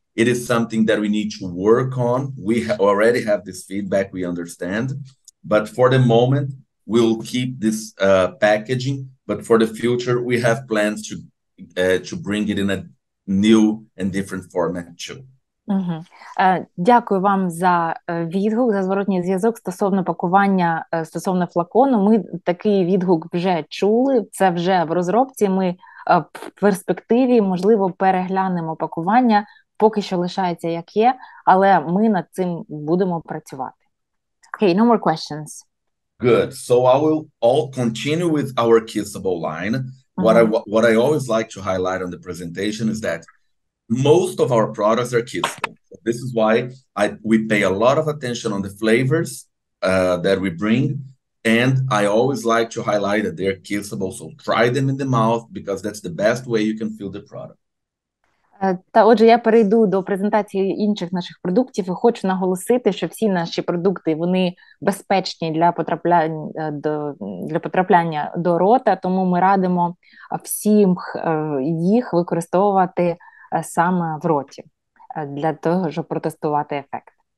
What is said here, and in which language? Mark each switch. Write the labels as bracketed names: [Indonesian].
[English] It is something that we need to work on. We already have this feedback, we understand. But for the moment, we'll keep this packaging. But for the future, we have plans to bring it in a new and different format too. Угу. [Ukrainian] Дякую вам за відгук, за зворотній зв'язок стосовно пакування, стосовно флакону. Ми такий відгук вже чули, це вже в розробці. Ми в перспективі, можливо, переглянемо пакування. Поки що лишається, як є, але ми над цим будемо працювати. [English] Okay, no more questions. Good. So I will all continue with our kissable line. What I always like to highlight on the presentation is that most of our products are kissable. This is why we pay a lot of attention on the flavors that we bring. And I always like to highlight that they're kissable. So try them in the mouth, because that's the best way you can feel the product. [Ukrainian] Та отже, я перейду до презентації інших наших продуктів і хочу наголосити, що всі наші продукти, вони безпечні для потрапляння до рота, тому ми радимо всім їх використовувати саме в роті, для того, щоб протестувати ефект.